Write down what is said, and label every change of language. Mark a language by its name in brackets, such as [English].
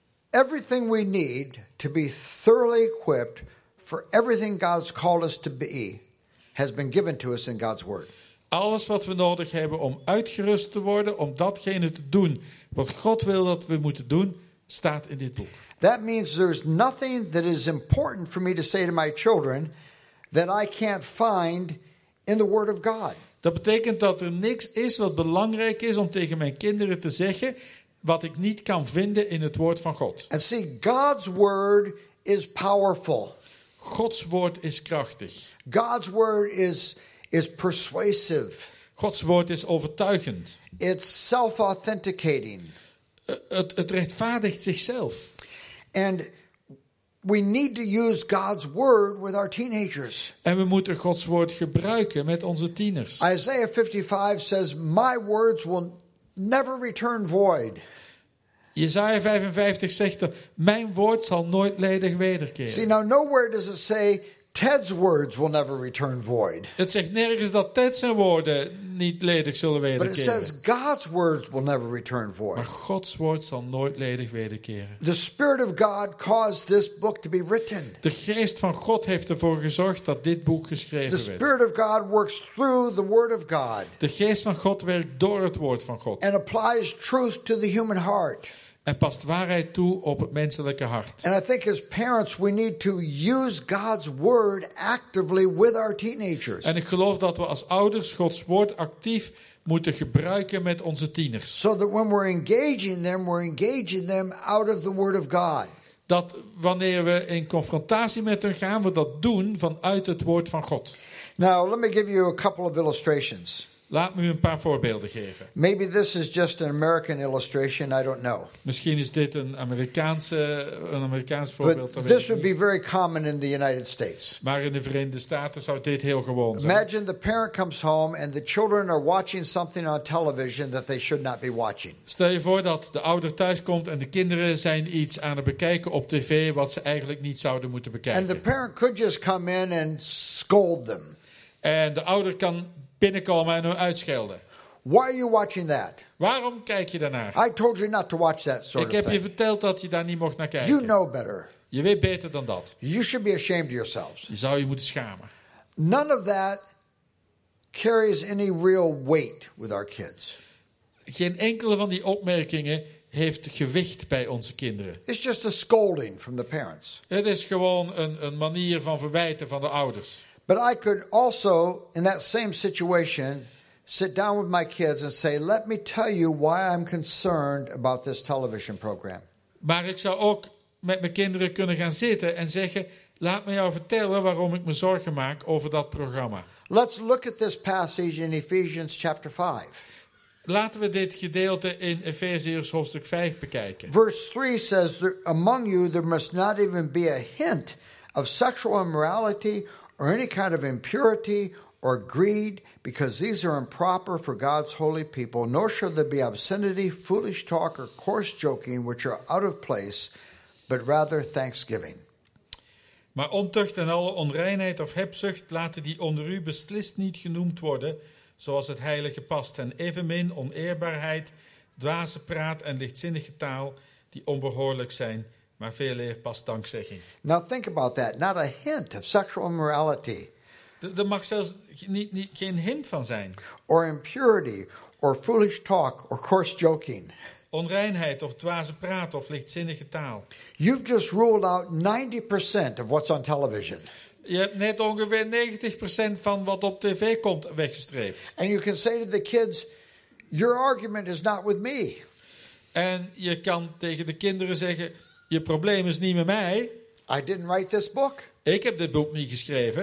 [English] Everything we need to be thoroughly equipped for everything God's called us to be has been given to us in God's Word. [Dutch] Alles wat we nodig hebben om uitgerust te worden, om datgene te doen wat God wil dat we moeten doen, staat in dit boek. [English] That means there's nothing that is important for me to say to my children that I can't find in the Word of God. [Dutch] Dat betekent dat er niks is wat belangrijk is om tegen mijn kinderen te zeggen wat ik niet kan vinden in het woord van God. [English] And see, God's word is powerful. [Dutch] Gods woord is krachtig. [English] God's word is persuasive. [Dutch] Gods woord is overtuigend. [English] It's self-authenticating. [Dutch] Het rechtvaardigt zichzelf. [English] And we need to use God's word with our teenagers. [Dutch] En we moeten Gods woord gebruiken met onze tieners. [English] Isaiah 55 says, my words will never return void. [Dutch] Jesaja 55 zegt dat mijn woord zal nooit ledig wederkeren. [English] See, now nowhere does it say Ted's words will never return void. [Dutch] Het zegt nergens dat Ted zijn woorden niet ledig zullen wederkeren. [English] But it says God's words will never return void. [Dutch] Maar Gods woord zal nooit ledig wederkeren. [English] The Spirit of God caused this book to be written. [Dutch] De Geest van God heeft ervoor gezorgd dat dit boek geschreven werd. [English] The Spirit of God works through the Word of God. [Dutch] De Geest van God werkt door het woord van God. [English] And applies truth to the human heart. [Dutch] En past waarheid toe op het menselijke hart. [English] And I think as parents we need to use God's word actively with our teenagers. [Dutch] En ik geloof dat we als ouders Gods woord actief moeten gebruiken met onze tieners. [English] So that when we're engaging them out of the Word of God. [Dutch] Dat wanneer we in confrontatie met hen gaan, we dat doen vanuit het woord van God. [English] Now let me give you a couple of illustrations. [Dutch] Laat me u een paar voorbeelden geven. [English] Maybe this is just an American illustration, I don't know. [Dutch] Misschien is dit een Amerikaans voorbeeld. [English] But this would be very common in the United States. [Dutch] Maar in de Verenigde Staten zou dit heel gewoon zijn. [English] Imagine the parent comes home and the children are watching something on television that they should not be watching. [Dutch] Stel je voor dat de ouder thuis komt en de kinderen zijn iets aan het bekijken op tv wat ze eigenlijk niet zouden moeten bekijken. [English] And the parent could just come in and scold them. [Dutch] En de ouder kan binnenkomen en hem uitschelden. [English] Why are you watching that? [Dutch] Waarom kijk je daarnaar? [English] I told you not to watch that sort of thing. [Dutch] Ik heb je verteld dat je daar niet mocht naar kijken. [English] You know better. [Dutch] Je weet beter dan dat. [English] You should be ashamed of yourselves. [Dutch] Je zou je moeten schamen. [English] None of that carries any real weight with our kids. [Dutch] Geen enkele van die opmerkingen heeft gewicht bij onze kinderen. [English] It's just a scolding from the parents. [Dutch] Het is gewoon een manier van verwijten van de ouders. [English] But I could also, in that same situation, sit down with my kids and say, let me tell you why I'm concerned about this television program. [Dutch] Maar ik zou ook met mijn kinderen kunnen gaan zitten en zeggen, Laat me jou vertellen waarom ik me zorgen maak over dat programma. [English] Let's look at this passage in Ephesians chapter 5. [Dutch] Laten we dit gedeelte in Efeziërs hoofdstuk 5 bekijken. [English] Verse 3 says, among you there must not even be a hint of sexual immorality or any kind of impurity or greed, because these are improper for God's holy people. Nor should there be obscenity, foolish talk, or coarse joking, which are out of place, but rather thanksgiving. [Dutch] Maar ontucht en alle onreinheid of hebzucht laten die onder u beslist niet genoemd worden, zoals het heilige past, en evenmin oneerbaarheid, dwaze praat en lichtzinnige taal die onbehoorlijk zijn, maar veel eer past dankzegging. [English] Now think about that. Not a hint of sexual immorality. [Dutch] Er mag zelfs geen hint van zijn. [English] Or impurity, or foolish talk, or coarse joking. [Dutch] Onreinheid of dwaze praat of lichtzinnige taal. [English] You've just ruled out 90% of what's on television. [Dutch] Je hebt net ongeveer 90% van wat op tv komt weggestreept. [English] And you can say to the kids, your argument is not with me. [Dutch] En je kan tegen de kinderen zeggen, je probleem is niet met mij. [English] I didn't write this book. [Dutch] Ik heb dit boek niet geschreven.